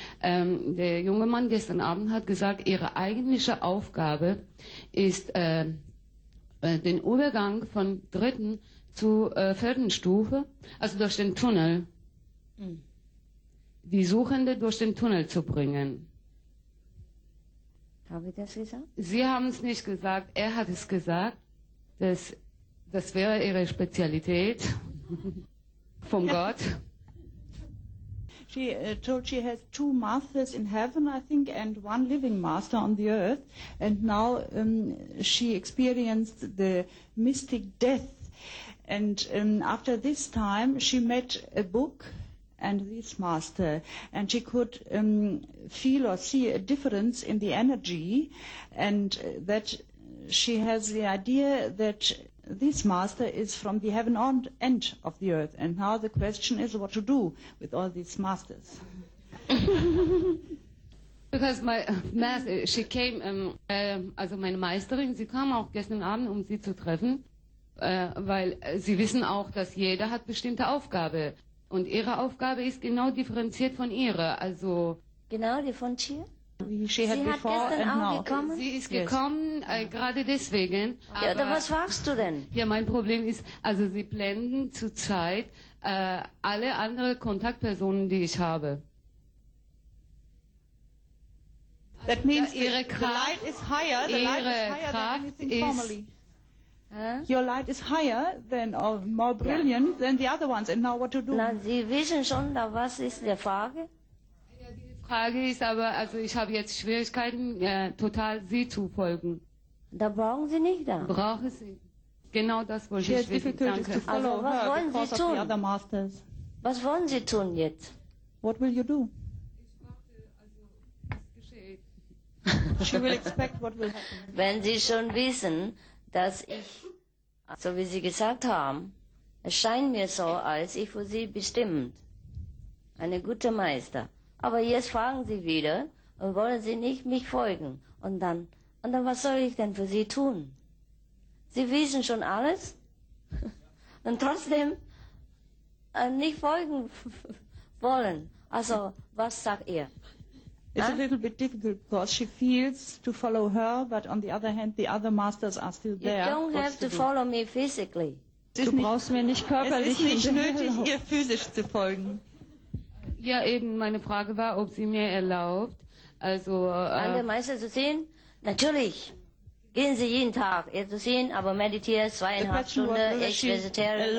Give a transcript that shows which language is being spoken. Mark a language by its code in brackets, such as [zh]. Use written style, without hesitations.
[de] Der junge Mann gestern Abend hat gesagt, ihre eigentliche Aufgabe ist, den Übergang von dritten zu vierten Stufe, also durch den Tunnel, die Suchende durch den Tunnel zu bringen. Habe ich das gesagt? Sie haben es nicht gesagt, er hat es gesagt, dass das wäre ihre Spezialität vom Gott. [en] She told she has two masters in heaven, I think, and one living master on the earth. And now she experienced the mystic death. And after this time, she met a book and this master. And she could feel or see a difference in the energy. And that she has the idea that this master is from the heaven on end of the earth, and now the question is what to do with all these masters. Because my master, she came, [de] also meine Meisterin, sie kam auch gestern Abend, um sie zu treffen, weil sie wissen auch, dass jeder hat bestimmte Aufgabe, und ihre Aufgabe ist genau differenziert von ihrer, also genau die von Chia. [en] She had [de] sie [en] before [de] hat gestern [en] and [de] auch [en] now. [de] Gekommen. Sie ist gekommen, gerade deswegen. Ja, aber was fragst du denn? Ja, mein Problem ist, also sie blenden zurzeit alle anderen Kontaktpersonen, die ich habe. [en] That means [de] ihre Kraft ist [en] higher. The light is higher than anything formerly. Your light is higher than or more brilliant than the other ones. And now what to do? [de] Na, Sie wissen schon, da was ist die Frage? Die Frage ist aber, also ich habe jetzt Schwierigkeiten, total Sie zu folgen. Da brauchen Sie nicht da. Brauche Sie. Genau das wollte ich wissen. Danke. Also was wollen Sie tun? Was wollen Sie tun jetzt? [en] What will you do? [de] Ich warte, also was geschieht. [en] She will expect what will happen. [de] Wenn Sie schon wissen, dass ich, so wie Sie gesagt haben, es scheint mir so, als ich für Sie bestimmt. Eine gute Meister. Aber jetzt fragen Sie wieder und wollen Sie nicht mich folgen. Und dann, was soll ich denn für Sie tun? Sie wissen schon alles und trotzdem nicht folgen wollen. Also, was sagt ihr? [en] It's a little bit difficult, because she feels to follow her, but on the other hand, the other masters are still there. You don't have to follow me physically. [de] Du brauchst mir nicht körperlich. Es ist nicht nötig, ihr physisch zu folgen. Ja, eben, meine Frage war, ob sie mir erlaubt, also... Andere Meister zu sehen? Natürlich. Gehen Sie jeden Tag ihr zu sehen, aber meditiere zweieinhalb Stunden, ich vegetarian.